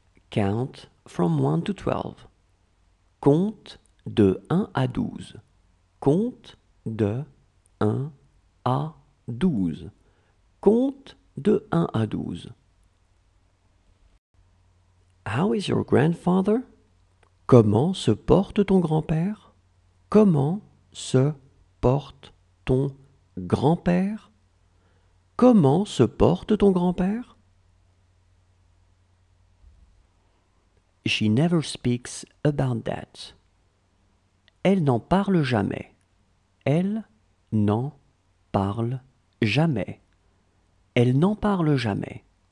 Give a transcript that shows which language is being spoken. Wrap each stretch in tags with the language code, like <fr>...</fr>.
<en>Count from 1 to 12.</en> <fr>Compte de 1 à 12. Compte de 1 à 12. Compte de 1 à 12.</fr> <en>How is your grandfather?</en> <fr>Comment se porte ton grand-père? Comment se porte ton grand-père? Comment se porte ton grand-père?</fr> <en>She never speaks about that.</en> <fr>Elle n'en parle jamais. Elle n'en parle jamais. Elle n'en parle jamais.</fr>